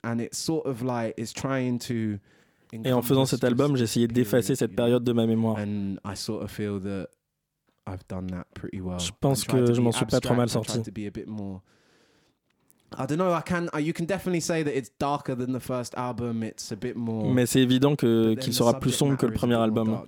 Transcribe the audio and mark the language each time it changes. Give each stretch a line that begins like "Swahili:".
French: Et en faisant cet album, j'ai essayé d'effacer cette période de ma mémoire. Je pense que je m'en suis pas trop mal sorti.
English: I don't know. You can definitely say that it's darker than the first album. It's a bit more.
French: Mais c'est évident qu'il sera plus sombre que le premier album.